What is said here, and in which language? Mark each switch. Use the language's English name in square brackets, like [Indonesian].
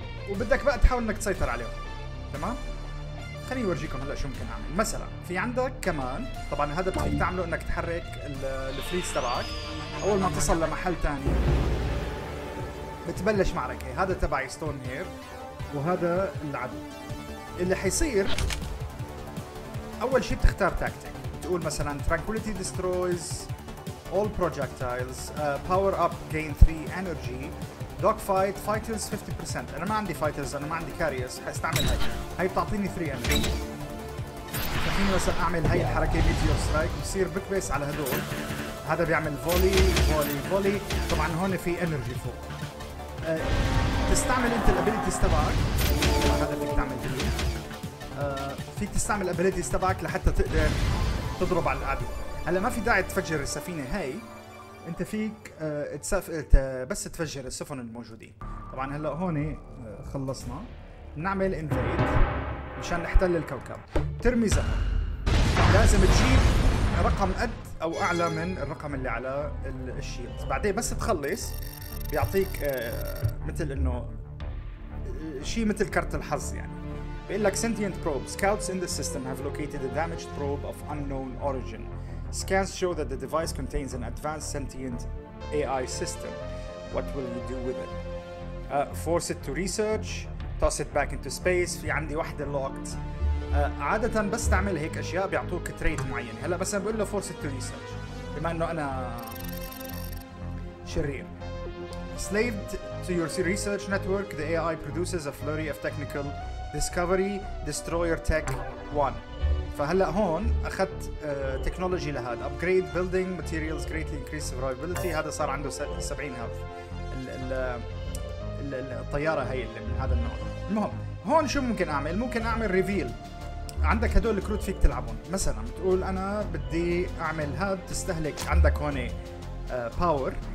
[Arabic] وبدك بقى تحاول انك تسيطر عليهم تمام. خليني اورجيكم هلا شو ممكن اعمل. مثلا في عندك كمان طبعا هذا بتخليك تعمله انك تحرك الفريز تبعك. اول ما تصل لمحل تاني بتبلش معركه. هذا تبعي ستون هير وهذا العدو. اللي حيصير اول شيء بتختار تاكتيك. تقول مثلا [English] Tranquility destroys all projectiles, power up gain 3 energy, dog fight fighters 50%. [Arabic] انا ما عندي fighters انا ما عندي carriers حستعمل هاي. هاي بتعطيني 3 energy. فحين مثلا اعمل هاي الحركة meteor strike بصير بكبس على هدول. هذا بيعمل volley volley volley. طبعا هون في energy فوق. تستعمل انت الابيليتيز تبعك. هذا فيك تعمل دي. فيك تستعمل الابيليتيز تبعك لحتى تقدر تضرب على العدو. هلا ما في داعي تفجر السفينه هاي. انت فيك بس تفجر السفن الموجودين. طبعا هلا هون خلصنا نعمل انفيد مشان نحتل الكوكب. ترمي زهر لازم تجيب رقم قد او اعلى من الرقم اللي على الشيلد. بعدين بس تخلص بيعطيك مثل انه شيء مثل كرت الحظ يعني. بيقول لك [English] sentient probes scouts in the system have located a damaged probe of unknown origin. Scans show that the device contains an advanced sentient AI system. What will you do with it? Force it to research, toss it back into space. [Arabic] في عندي واحدة locked. عادة بس تعمل هيك أشياء بيعطوك trait معين. هلا بس بقول له [English] force it to research [Arabic] بما إنه أنا شرير. [English] Slaved to your research network, the AI produces a flurry of technical Discovery Destroyer Tech 1. [Arabic] فهلأ هون أخذت تكنولوجي لهذا. [English] Upgrade Building Materials Greatly Increase Survivability. [Arabic] هذا صار عنده 70 هذا الطيارة هاي اللي من هذا النوع. المهم هون شو ممكن أعمل؟ ممكن أعمل Reveal. عندك هدول الكروت فيك تلعبون. مثلا بتقول أنا بدي أعمل هاد تستهلك عندك هون Power.